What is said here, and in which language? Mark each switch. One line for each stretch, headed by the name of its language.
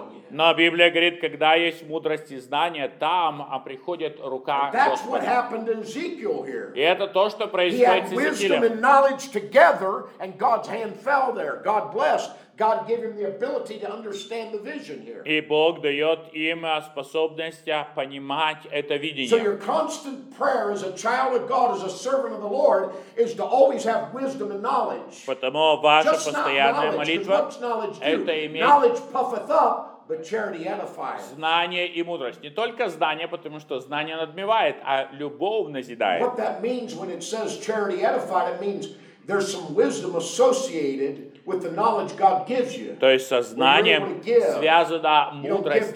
Russian: Но Библия говорит, когда есть мудрость и знание, там приходит рука Господа. И это то, что происходит с Иезекиилем.
English: God gave him the ability to understand the vision here.
Russian: И Бог дает им способность понимать это видение.
English: So your constant prayer as a child of God, as a servant of the Lord, is to always have wisdom and knowledge.
Russian: Потому ваша постоянная молитва это иметь.
English: Knowledge puffeth up, but charity edifies.
Russian: Знание и мудрость. Не только знание, потому что знание надмевает, а любовь назидает.
English: What that means when it says charity edifies, it means there's some wisdom associated with the knowledge God gives you.
Russian: То есть со знанием связана мудрость.